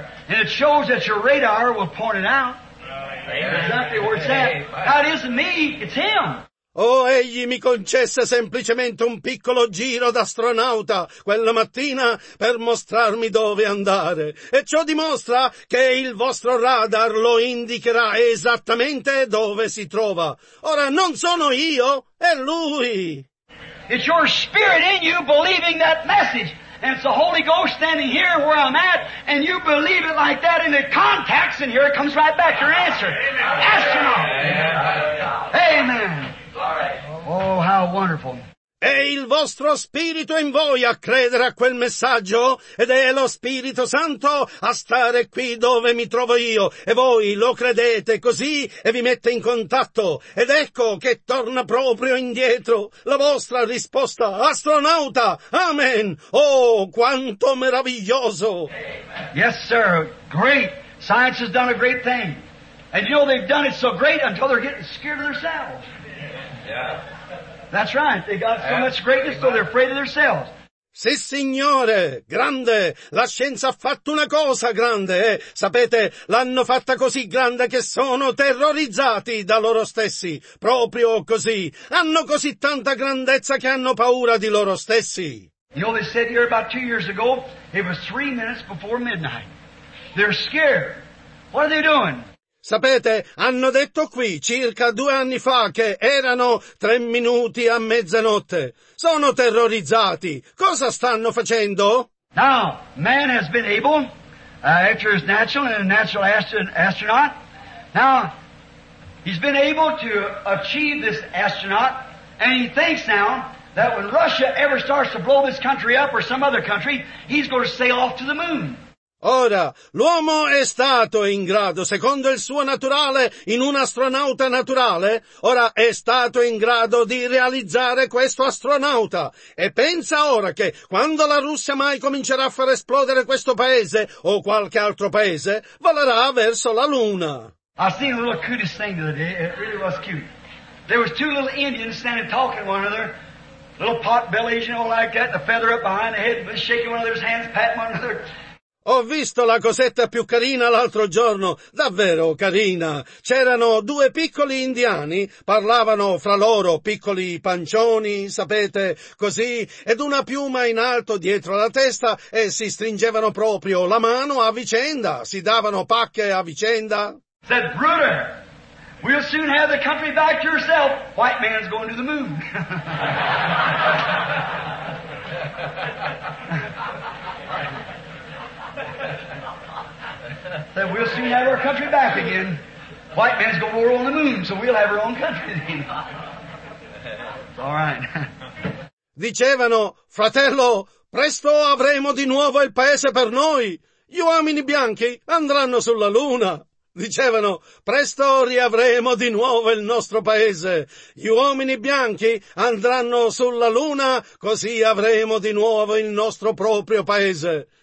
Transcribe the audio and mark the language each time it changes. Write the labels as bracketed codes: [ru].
[en] And it shows that your radar will point it out. That isn't me, it's him. [it] Oh, egli mi concesse semplicemente un piccolo giro d'astronauta quella mattina per mostrarmi dove andare. E ciò dimostra che il vostro radar lo indicherà esattamente dove si trova. Ora, non sono io, è lui. [en] It's your spirit in you believing that message. And it's the Holy Ghost standing here where I'm at, and you believe it like that, and it contacts, and here it comes right back, your answer. Astronaut! Amen! Oh, how wonderful. [it] È il vostro spirito in voi a credere a quel messaggio ed è lo Spirito Santo a stare qui dove mi trovo io e voi lo credete così e vi mette in contatto ed ecco che torna proprio indietro la vostra risposta, astronauta, amen, oh quanto meraviglioso. [en] Yes sir, great, science has done a great thing and you know they've done it so great until they're getting scared of themselves. Yeah. That's right, they got so much greatness so they're afraid of themselves. [it] Sì, signore, grande, la scienza ha fatto una cosa grande, eh? Sapete, l'hanno fatta così grande che sono terrorizzati da loro stessi, proprio così. Hanno così tanta grandezza che hanno paura di loro stessi. [en] You know, they said here about 2 years ago, it was 3 minutes before midnight. They're scared. What are they doing? [it] Sapete, hanno detto qui circa 2 anni fa che erano 3 minuti a mezzanotte. Sono terrorizzati. Cosa stanno facendo? [en] Now, man has been able, after his natural and natural astronaut, now, he's been able to achieve this astronaut, and he thinks now that when Russia ever starts to blow this country up or some other country, he's going to sail off to the moon. [it] Ora, l'uomo è stato in grado, secondo il suo naturale, in un astronauta naturale, ora è stato in grado di realizzare questo astronauta. E pensa ora che, quando la Russia mai comincerà a far esplodere questo paese, o qualche altro paese, volerà verso la Luna. [en] I seen the little cutest thing the other day. It really was cute. There was 2 little Indians standing talking to one another. Little pot bellies, you know, like that, the feather up behind the head, shaking one another's hands, patting one another. [it] Ho visto la cosetta più carina l'altro giorno, davvero carina. C'erano 2 piccoli indiani, parlavano fra loro, piccoli pancioni, sapete, così, ed una piuma in alto dietro la testa e si stringevano proprio la mano a vicenda, si davano pacche a vicenda. [en] Said Bruder, we'll soon have the country back to yourself. White man's going to the moon. That we'll soon have our country back again. White man's going to rule on the moon, so we'll have our own country again. It's all right. [it] Dicevano, fratello, presto avremo di nuovo il paese per noi. Gli uomini bianchi andranno sulla luna. Dicevano, presto riavremo di nuovo il nostro paese. Gli uomini bianchi andranno sulla luna, così avremo di nuovo il nostro proprio paese.